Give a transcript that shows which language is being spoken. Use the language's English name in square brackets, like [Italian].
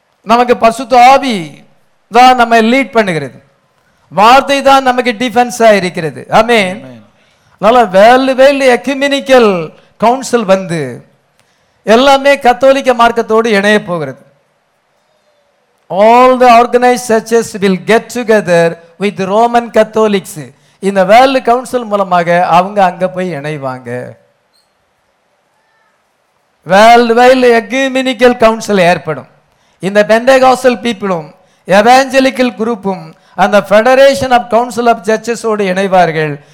[Tamil] நமக்கு பரிசுத்த ஆவி தான் நம்மை லீட் பண்ணுகிறது. வார்த்தை தான் நமக்கு டிஃபென்ஸாக இருக்கிறது. ஆமென். அதனால வேல் வேல் எக்யூமெனிக்கல் கவுன்சில் வந்து எல்லாமே கத்தோலிக்க மார்க்கத்தோடு இணைய போகிறது. [English] All the organized churches will get together with the Roman Catholics. In the World Council [Tamil] மூலமாக அவங்க அங்க போய் இணைவாங்க. Worldwide Ecumenical Council ஏற்படும். இந்த Pentecostal people-உம் Evangelical group-உம் அந்த Federation of Council of Churches-ஓடு இணைவார்கள்.